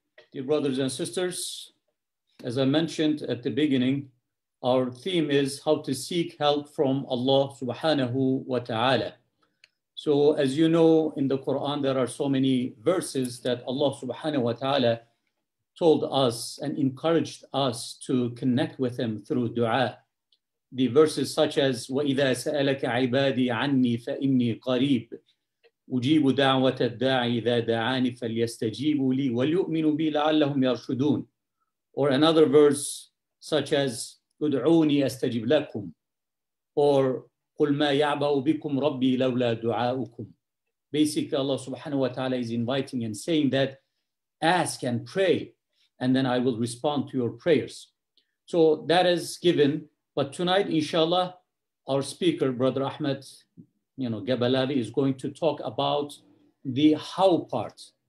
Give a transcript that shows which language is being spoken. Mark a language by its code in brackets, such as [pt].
[en] Dear brothers and sisters, as I mentioned at the beginning, our theme is how to seek help from Allah subhanahu wa ta'ala. So as you know, in the Quran, there are so many verses that Allah subhanahu wa ta'ala told us and encouraged us to connect with him through dua. The verses such as, [ar] وَإِذَا سَأَلَكَ عِبَادِي عَنِّي فَإِنِّي قَرِيبٌ أجيب دعوة الداعي إذا دعاني فليستجيبوا لي وليؤمنوا بي لعلهم يرشدون. [en] Or another verse such as [ar] ادعوني أستجب لكم. [en] Or [ar] قل ما يعبأ بكم ربي لولا دعاؤكم. [en] Basically Allah subhanahu wa ta'ala is inviting and saying that ask and pray and then I will respond to your prayers. So that is given. But tonight inshallah our speaker brother Ahmed Gabalawy is going to talk about the how part.